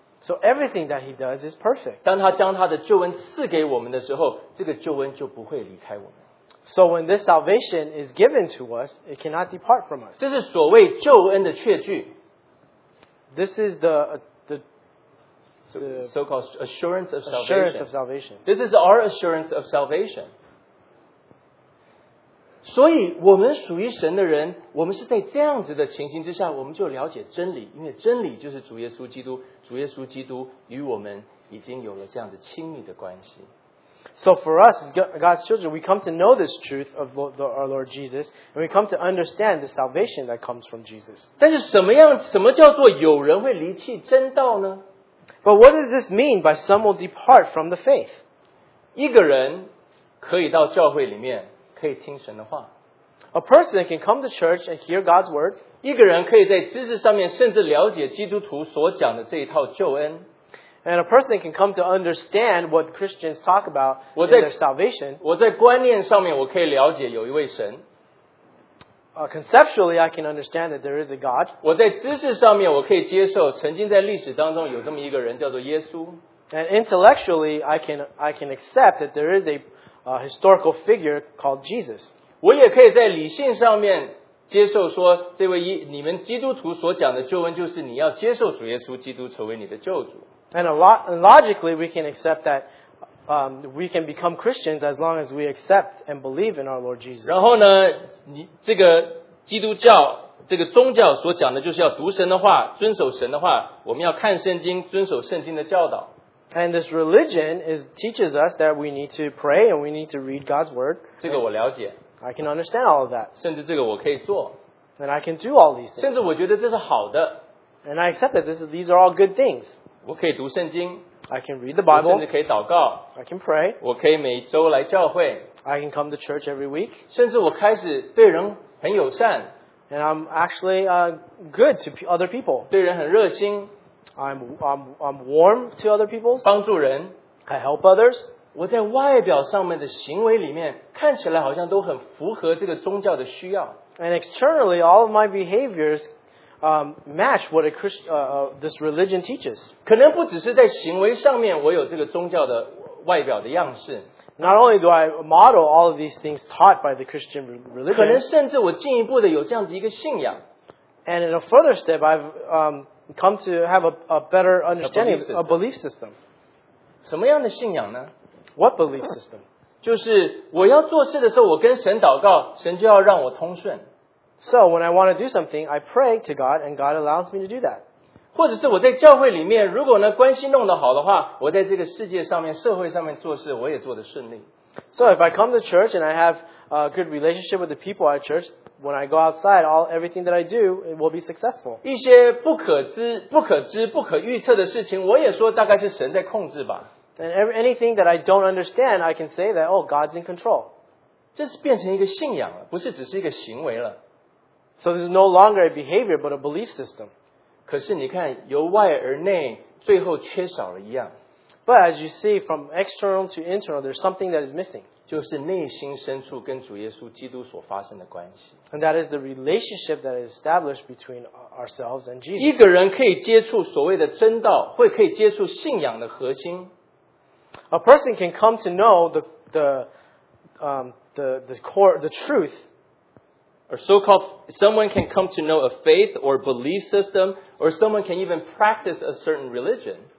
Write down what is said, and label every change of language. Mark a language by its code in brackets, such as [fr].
[en] So everything that he does is perfect. [zh] 当他将他的救恩赐给我们的时候，这个救恩就不会离开我们。 [en] So when this salvation is given to us, it cannot depart from us. [zh] 这是所谓救恩的确据。 [en] This is the so-called assurance of salvation. Assurance of salvation. This is our assurance of salvation. [zh] 所以我们属于神的人，我们是在这样子的情形之下，我们就了解真理，因为真理就是主耶稣基督，主耶稣基督与我们已经有了这样的亲密的关系。 [en] So for us, as God's children, we come to know this truth of our Lord Jesus, and we come to understand the salvation that comes from Jesus. [zh] 但是什么叫做有人会离弃真道呢？ [en] But what does this mean by some will depart from the faith? [zh] 一个人可以到教会里面，可以听神的话。 [en] A person can come to church and hear God's word. [zh] 一个人可以在知识上面甚至了解基督徒所讲的这一套救恩。 [en] And a person can come to understand what Christians talk about in their salvation. [zh] 我在观念上面我可以了解有一位神。 [en] Conceptually, I can understand that there is a God. [zh] 我在知识上面我可以接受曾经在历史当中有这么一个人叫做耶稣。 [en] And intellectually, I can accept that there is a historical figure called Jesus. [zh] 我也可以在理性上面接受说这位你们基督徒所讲的救恩就是你要接受主耶稣基督成为你的救主。 [en] And logically, we can accept that we can become Christians as long as we accept and believe in our Lord Jesus. [zh] 然后呢，这个基督教这个宗教所讲的就是要读神的话，遵守神的话。我们要看圣经，遵守圣经的教导。 [en] And this religion teaches us that we need to pray and we need to read God's word. [zh] 这个我了解。 [en] I can understand all of that. [zh] 甚至这个我可以做。 [en] And I can do all these things. [zh] 甚至我觉得这是好的。 [en] And I accept that these are all good things. [zh] 我可以读圣经 [en] I can read the Bible. [zh] 我甚至可以祷告 [en] I can pray. [zh] 我可以每周来教会 [en] I can come to church every week. [zh] 甚至我开始对人很友善 [en] And I'm actually good to other people. [zh] 对人很热心 [en] I'm warm to other people. [zh] 帮助人 [en] I help others. [zh] 我在外表上面的行为里面看起来好像都很符合这个宗教的需要 [en] And externally, all of my behaviorsmatch what this religion teaches. [zh] 可能不只是在行为上面我有这个宗教的外表的样式。 [en] Not only do I model all of these things taught by the Christian religion. [zh] 可能甚至我进一步的有这样子一个信仰。 [en] And in a further step, I've come to have a better understanding of a belief system. [zh] 什么样的信仰呢？ [en] What belief system? [zh] 就是我要做事的时候我跟神祷告神就要让我通顺。 [en] So when I want to do something, I pray to God, and God allows me to do that. [zh] 或者是我在教会里面，如果呢关系弄得好的话，我在这个世界上面、社会上面做事，我也做得顺利。 [en] So if I come to church and I have a good relationship with the people at church, when I go outside, everything that I do it will be successful. [zh] 一些不可知、不可预测的事情，我也说大概是神在控制吧。 [en] And anything that I don't understand, I can say that, oh, God's in control. [zh] 这是变成一个信仰了，不是只是一个行为了。 [en] So this is no longer a behavior, but a belief system. [zh] 可是你看，由外而内，最后缺少了一样。 [en] But as you see, from external to internal, there's something that is missing. [zh] 就是内心深处跟主耶稣基督所发生的关系。 [en] And that is the relationship that is established between ourselves and Jesus. [zh] 一个人可以接触所谓的真道，会可以接触信仰的核心。 [en] A person can come to know the core, the truth. Or so-called, someone can come to know a faith or belief system, or someone can even practice a certain religion.